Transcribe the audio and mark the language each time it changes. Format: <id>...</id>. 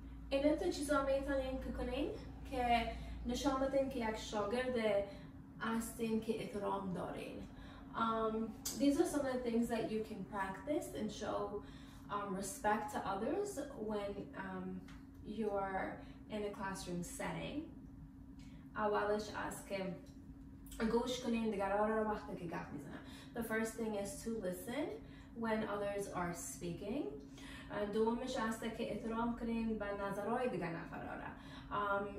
<fa>این تا چیزا میتونین که کنین که نشان بدین که یک شاگرد هستین که احترام دارین</fa> <en>These are some of the things that you can practice and show respect to others when you're in a classroom setting.</en> <fa>اولش از که گوش کنین دیگران رو وقتی که گپ میزنن.</fa> <en>The first thing is to listen when others are speaking.</en> <fa>دومش از که احترام کنین به نظرهای دیگر نفرها را.</fa>